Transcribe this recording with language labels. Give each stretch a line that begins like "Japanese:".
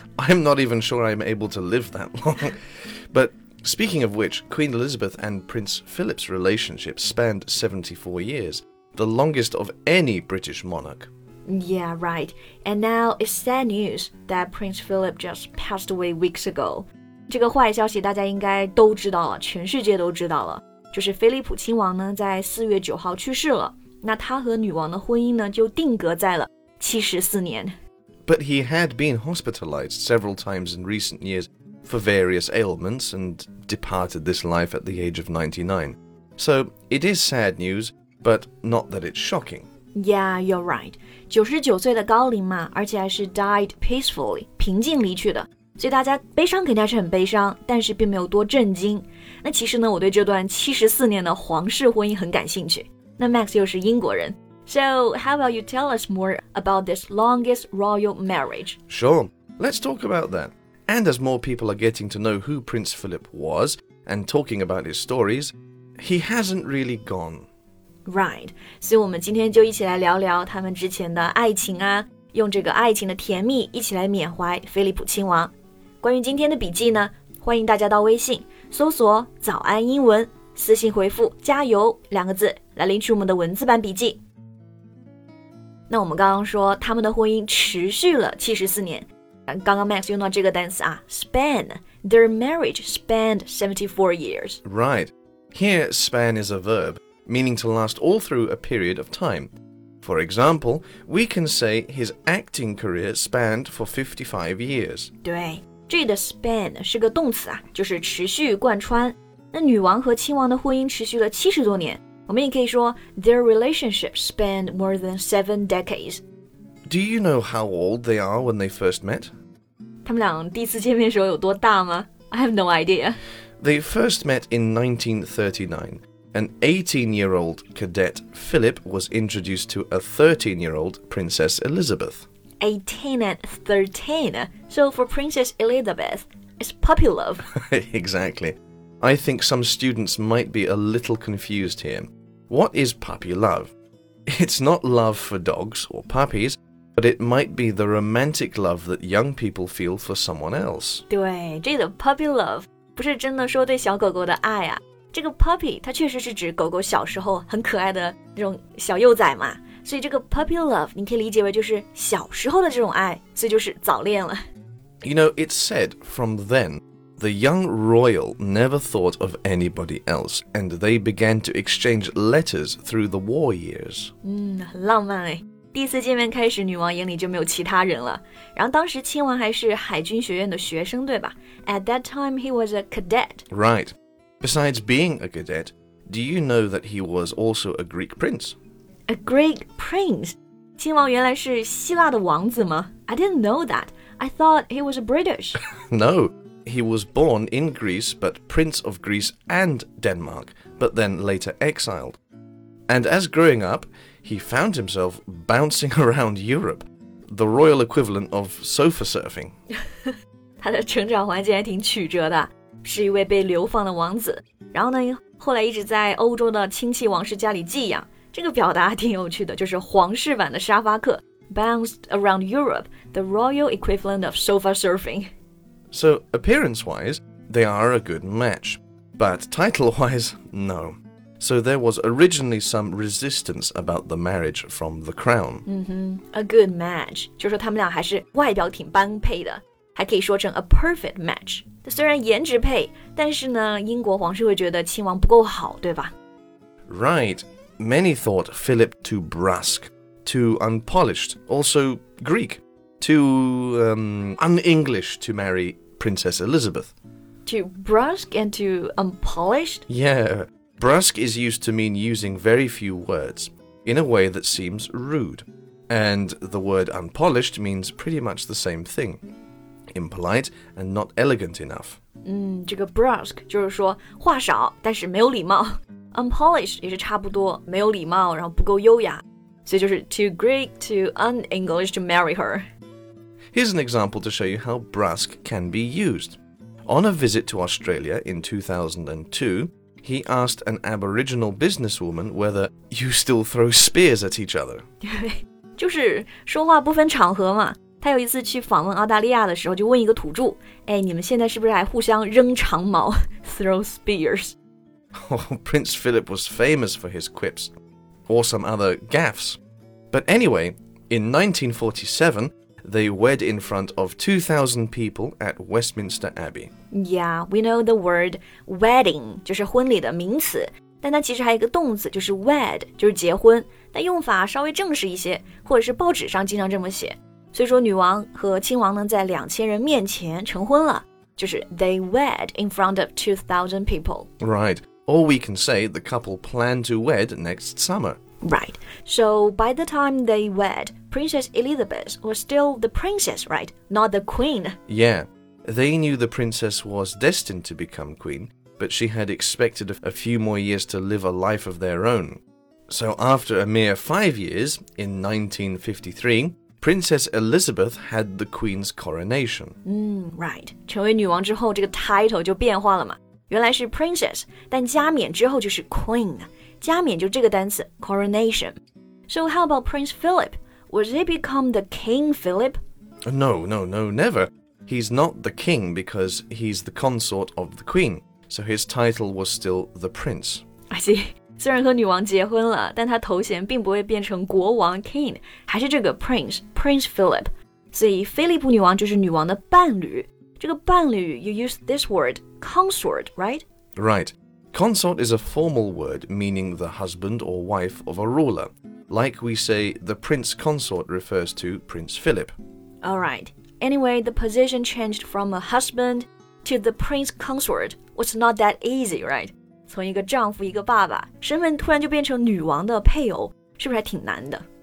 English: I'm not even sure I'm able to live that long. But... Speaking of which, Queen Elizabeth and Prince Philip's relationship spanned 74 years, the longest of any British monarch. Yeah, right. And now it's sad news that Prince Philip just passed away weeks ago.
Chinese: 这个坏消息大家应该都知道了，全世界都知道了。就是菲利普亲王呢，在4月9号去世了。那他和女王的婚姻呢，就定格在了74年。
English: But he had been hospitalized several times in recent years. For various ailments and departed this life at the age of 99. So, it is sad news, but not that it's shocking. Yeah, you're right.
Chinese: 99岁的高龄嘛，而且还是
English: died peacefully,
Chinese: 平静离去的。所以大家悲伤肯定是很悲伤，但是并没有多震惊。那其实呢，我对这段74年的皇室婚姻很感兴趣。那 Max 又是英国人。
English: So, how about you tell us more about this longest royal marriage? Sure, let's talk about that. And as more people are getting to know who Prince Philip was and talking about his stories, he hasn't really gone. Right.
Chinese: So, 我们今天就一起来聊聊他们之前的爱情啊，用这个爱情的甜蜜一起来缅怀菲利普亲王。关于今天的笔记呢，欢迎大家到微信搜索“早安英文”，私信回复“加油”两个字来领取我们的文字版笔记。那我们刚刚说他们的婚姻持续了74年。刚刚 Max 用到这个单词啊 span,
English: their marriage spanned 74 years. Right. Here, span is a verb, meaning to last all through a period of time. For example, we can say his acting career spanned for 55 years.
Chinese: 对,这里的 span 是个动词啊,就是持续贯穿。那女王和亲王的婚姻持续了70多年。我们也可以说
English: their relationship spanned more than 7 decades. Do you know how old they are when they first met?
Chinese: 他们俩第一次见面时候有多大吗?
English: I have no idea. They first met in 1939. An 18-year-old cadet, Philip, was introduced to a 13-year-old Princess Elizabeth. 18 and 13. So for Princess Elizabeth, it's puppy love. Exactly. I think some students might be a little confused here. What is puppy love? It's not love for dogs or puppies. But it might be the romantic love that young people feel for someone else.
Chinese: 对，这个 puppy love 不是真的说对小狗狗的爱啊。这个 puppy 它确实是指狗狗小时候很可爱的那种小幼崽嘛。所以这个 puppy love 你可以理解为就是小时候的这种爱，所以就是早恋了。
English: You know, it's said from then, the young royal never thought of anybody else, and they began to exchange letters through the war years.
Chinese: 浪漫哎。第一次见面开始，女王眼里就没有其他人了。然后当时亲王还是海军学院的学生，对吧 ？
English: At that time, he was a cadet. Right. Besides being a cadet, do you know that he was also a Greek prince? A Greek prince?
Chinese: 亲王原来是希腊的王子吗 ？
English: I didn't know that. I thought he was a British. No, he was born in Greece, but prince of Greece and Denmark, but then later exiled. And as growing up,He found himself bouncing around Europe, the royal equivalent of sofa surfing.
Chinese: 他的成长环境还挺曲折的，是一位被流放的王子，然后呢，后来一直在欧洲的亲戚王室家里寄养。这个表达挺有趣的，就是皇室版的沙发客 ,
English: bounced around Europe, the royal equivalent of sofa surfing. So, appearance-wise, they are a good match, but title-wise, no. So there was originally some resistance about the marriage from the crown. A good match.
Chinese: 就是说他们俩还是外表挺般配的。还可以说成
English: a perfect match.
Chinese: 虽然颜值配，但是呢，英国皇室会觉得亲王不够好，对吧？
English: Right. many thought Philip too brusque, too unpolished, also Greek, too un-English to marry Princess Elizabeth. Too brusque and too unpolished? Yeah, brusque is used to mean using very few words, in a way that seems rude. And the word unpolished means pretty much the same thing, impolite and not elegant enough.
Chinese: 这个 brusque 就是说话少但是没有礼貌 unpolished 也是差不多没有礼貌然后不够优雅所以就是
English: too Greek, too un-English to marry her. Here's an example to show you how brusque can be used. On a visit to Australia in 2002, he asked an Aboriginal businesswoman whether you still throw spears at each other.
Chinese: 就是说话不分场合嘛他有一次去访问澳大利亚的时候就问一个土著哎，你们现在是不是还互相扔长矛
English: throw spears、 oh, Prince Philip was famous for his quips or some other gaffes but anyway in 1947 they wed in front of 2,000 people at Westminster Abbey Yeah, we know the word wedding
Chinese: 就是婚礼的名词但它其实还有一个动词就是 wed 就是结婚但用法稍微正式一些或者是报纸上经常这么写所以说女王和亲王呢在两千人面前成婚了就是
English: they wed in front of 2,000 people. Right. Or we can say the couple plan to wed next summer. Right. So by the time they wed, Princess Elizabeth was still the princess, right? Not the queen. Yeah. They knew the princess was destined to become queen, but she had expected a few more years to live a life of their own. So after a mere 5 years, in 1953... Princess Elizabeth had the Queen's coronation. Right.
Chinese: 成为女王之后这个 title 就变化了嘛。原来是 Princess, 但加冕之后就是 Queen. 加冕就这个单词 coronation.
English: So how about Prince Philip? Would he become the King Philip? No, never. He's not the King because he's the consort of the Queen. So his title was still the Prince. I see.
Chinese: 虽然和女王结婚了但她头衔并不会变成国王 King 还是这个 Prince Prince Philip 所以菲利普女王就是女王的伴侣这个伴侣
English: you use this word consort right? Right consort is a formal word meaning the husband or wife of a ruler like we say the prince consort refers to Prince Philip Alright anyway the position changed from a husband to the prince consort was not that easy right?
Chinese: 从一个丈夫一个爸爸身份突然就变成女王的配偶是不是还挺难的